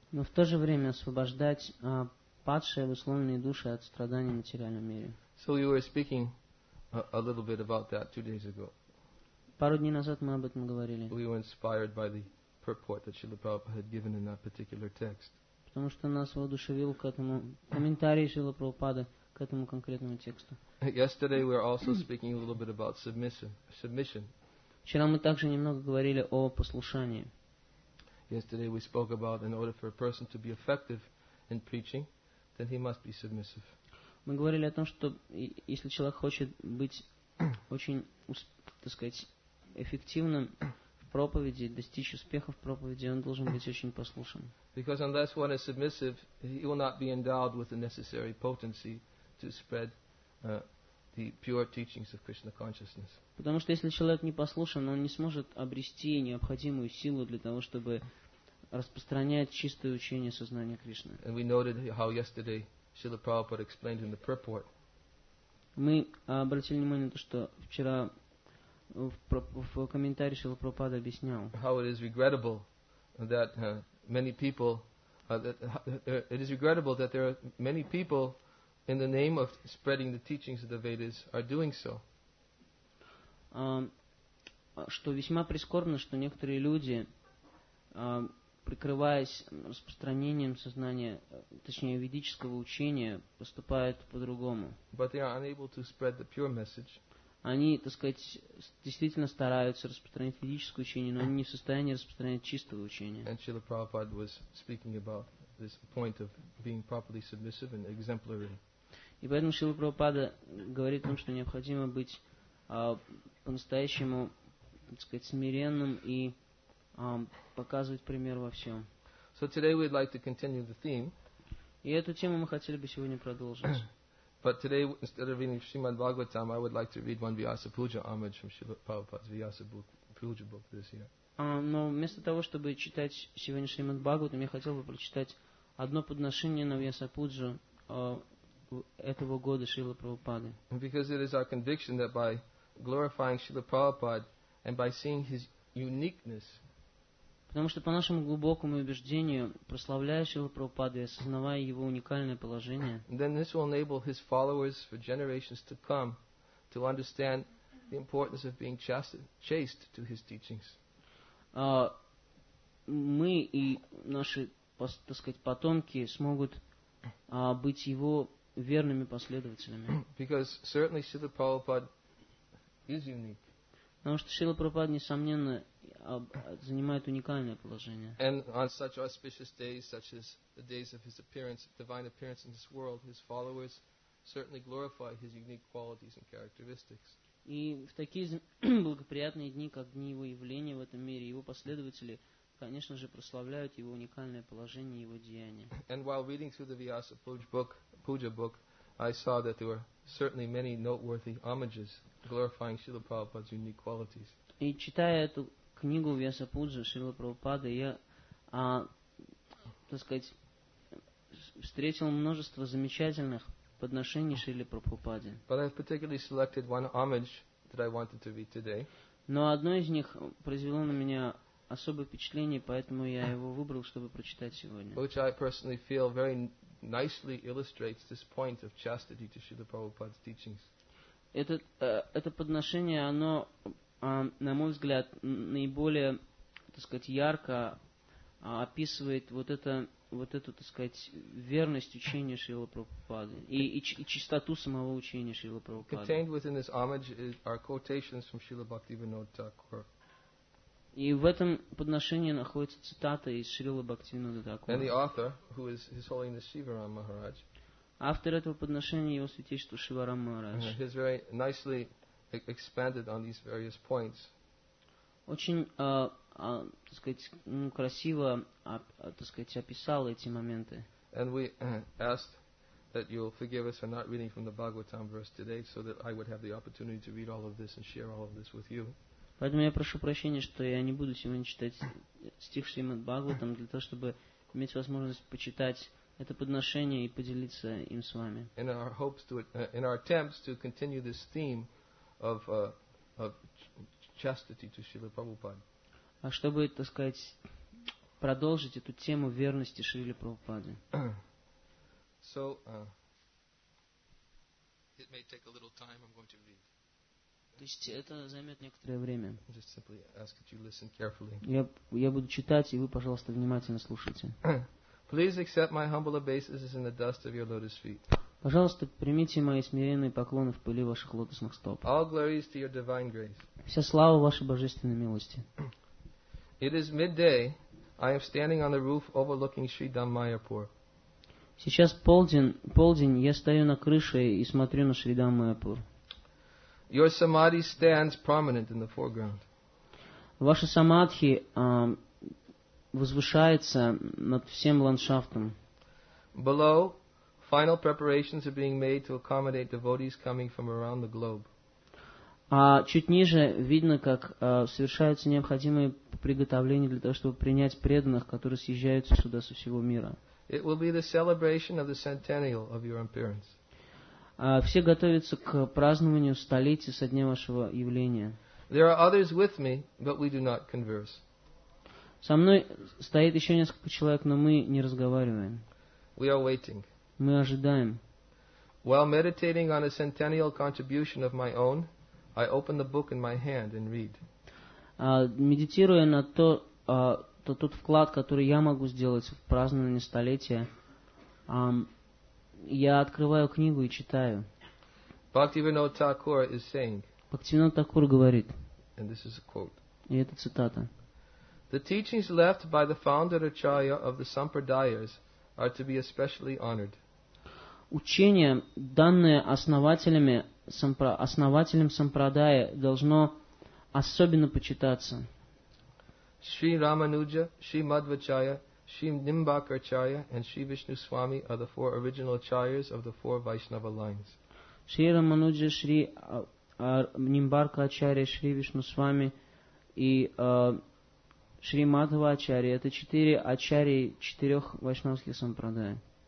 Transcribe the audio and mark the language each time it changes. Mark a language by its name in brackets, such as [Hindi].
[Russian] Но в то же время освобождать падшие обусловленные души от страданий в материальном мире. [English] So you were speaking a little bit about that 2 days ago. [Russian] Пару дней назад мы об этом говорили. [English] We were inspired by the purport that Srila Prabhupada had given in that particular text. [Russian] Потому что нас воодушевил к этому комментарий Шрилы Прабхупады к этому конкретному тексту. [English] Yesterday we were also speaking a little bit about submission. [Russian] Вчера мы также немного говорили о послушании. [English] Yesterday we spoke about in order for a person to be effective in preaching, then he must be submissive. [Russian] Мы говорили о том, что если человек хочет быть очень, так сказать, эффективным в проповеди, достичь успеха в проповеди, он должен быть очень послушным. [English] Because unless one is submissive, he will not be endowed with the necessary potency to spread the pure teachings of Krishna consciousness. [Russian] Потому что если человек не послушен, он не сможет обрести необходимую силу для того, чтобы распространять чистое учение сознания Кришны. [English] And we noted how yesterday Srila Prabhupada explained in the purport. [Russian] Мы обратили внимание на то, что вчера в комментарии Шрила Прабхупада объяснял. [English] How it is regrettable that many people there are many people in the name of spreading the teachings of the Vedas are doing so. [Russian] Что весьма прискорбно, что некоторые люди прикрываясь распространением сознания, точнее ведического учения, поступают по-другому. [English] But they are unable to spread the pure message. [Russian] Они, так сказать, действительно стараются распространить ведическое учение, но они не в состоянии распространять чистое учение. [English] And Srila Prabhupada was speaking about this point of being properly submissive and exemplary. [Russian] И поэтому Шрила Прабхупада говорит о том, что необходимо быть по-настоящему, так сказать, смиренным и показывать пример во всем. [English] So today we'd like to continue the theme. [Russian] И эту тему мы хотели бы сегодня продолжить. [English] But today, instead of reading Srimad Bhagavatam, I would like to read one Vyasa Puja homage from Srila Prabhupada's Vyasa Puja book this year. [Russian] Но вместо того, чтобы читать сегодня Шримад Бхагаватам, я хотел бы прочитать одно подношение на Вьяса Пуджу этого года Шрилы Прабхупады. [English] Because it is our conviction that by glorifying Srila Prabhupada and by seeing his uniqueness. [Russian] Потому что по нашему глубокому убеждению, прославляя Шрилу Прабхупаду и осознавая его уникальное положение, [English] then this will enable his followers for generations to come to understand the importance of being chaste to his teachings. [Russian] Мы и наши, так сказать, потомки смогут быть его верными последователями. [English] Because certainly Srila Prabhupada is unique. [Russian] Потому что Шрила Прабхупада, несомненно, занимает уникальное положение. [English] And on such auspicious days, such as the days of his appearance, divine appearance in this world, his followers certainly glorify his unique qualities and characteristics. [Russian] И в такие благоприятные дни, как дни его явления в этом мире, его последователи, конечно же, прославляют его уникальное положение, его деяния. [English] And while reading through the Vyasa Puja book, I saw that there were certainly many noteworthy homages glorifying Srila Prabhupada's unique qualities. [Russian] И читая эту книгу Вьяса Пуджа Шрилы Прабхупады, я, так сказать, встретил множество замечательных подношений Шрилы Прабхупаде. [English] But I have particularly selected one homage that I wanted to read today. [Russian] Но одно из них произвело на меня особое впечатление, поэтому я его выбрал, чтобы прочитать сегодня. [English] Which I personally feel very nicely illustrates this point of chastity to Srila Prabhupada's teachings. [Russian] Это подношение, оно, на мой взгляд, наиболее, так сказать, ярко описывает вот эту, так сказать, верность учения Шрилы Прабхупады и чистоту самого учения Шрилы Прабхупады. [English] Contained within this homage are quotations from Srila Bhaktivinoda Thakur. [Russian] И в этом подношении находится цитата из Шрилы Бхактивинода Такура. [English] And the author, who is His Holiness Sivaram Maharaj. [Russian] Автор этого подношения — его святейшество Шиварам Махарадж. [English] He has very nicely expanded on these various points. [Russian] Очень, так сказать, красиво, так сказать, описал эти моменты. [English] And we asked that you'll forgive us for not reading from the Bhagavatam verse today, so that I would have the opportunity to read all of this and share all of this with you. [Russian] Поэтому я прошу прощения, что я не буду сегодня читать стих Шримад Бхагаватам, для того, чтобы иметь возможность почитать это подношение и поделиться им с вами. [English] In our hopes to, in our attempts to continue this theme of chastity to Srila Prabhupada. [Russian] А чтобы, так сказать, продолжить эту тему верности Шриле Прабхупаде. [English] So, it may take a little time, I'm going to read. [Russian] То есть это займет некоторое время. [English] Just simply ask that you listen carefully. [Russian] Я буду читать, и вы, пожалуйста, внимательно слушайте. [English] Please accept my humble obeisances in the dust of your lotus feet. [Russian] Пожалуйста, примите мои смиренные поклоны в пыли ваших лотосных стоп. [English] All glories to your divine grace. [Russian] Вся слава вашей божественной милости. [English] It is midday. I am standing on the roof overlooking Sri Dhammayapur. [Russian] Сейчас полдень, я стою на крыше и смотрю на Шри Дхаммаяпур. [English] Your samadhi stands prominent in the foreground. [Russian] Ваша самадхи возвышается над всем ландшафтом. [English] Below, final preparations are being made to accommodate devotees coming from around the globe. [Russian] А чуть ниже видно, как совершаются необходимые приготовления для того, чтобы принять преданных, которые съезжаются сюда со всего мира. [English] It will be the celebration of the centennial of your appearance. [Russian] Все готовятся к празднованию столетия со дня вашего явления. [English] There are others with me, but we do not converse. [Russian] Со мной стоит еще несколько человек, но мы не разговариваем. [English] We are waiting. [Russian] Мы ожидаем. [English] While meditating on a centennial contribution of my own, I open the book in my hand and read. [Russian] Медитируя на тот вклад, который я могу сделать в празднование столетия, я открываю книгу и читаю. [English] Bhaktivinoda Thakur is saying. [Russian] Bhaktivinoda Thakur говорит. [English] And this is a quote. [Russian] И это цитата. [English] The teachings left by the founder Acharya of the Sampradayas are to be especially honored. [Russian] Учение, данное основателем Сампрадая, должно особенно почитаться. [English] Sri Ramanuja, Sri Madhvacharya, Sri Nimbakacharya and Sri Vishnu Swami are the four original Acharyas of the four Vaishnava lines. [Russian] Sri Ramanuja, Sri Nimbakacharya, Sri Vishnu Swami и Шри Мадхва Ачарья — это четыре ачарьи четырех вайшнавских сампрадая.